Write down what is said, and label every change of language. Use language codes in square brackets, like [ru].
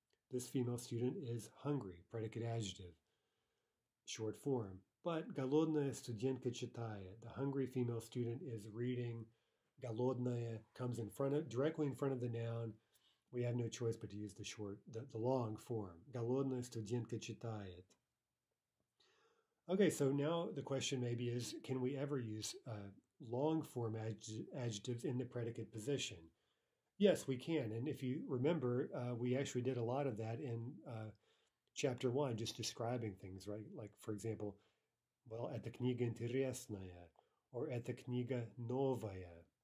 [en] This female student is hungry, predicate adjective, short form. But [ru] голодная студентка читает, [en] the hungry female student is reading. Голодная comes in front of, directly in front of the noun. We have no choice but to use the short, the long form. [ru] Голодная студентка читает. [en] Okay, so now the question maybe is, can we ever use long form adjectives in the predicate position? Yes, we can. And if you remember, we actually did a lot of that in chapter one, just describing things, right? Like, for example, well, [ru] эта книга интересная, [en] or [ru] эта книга новая.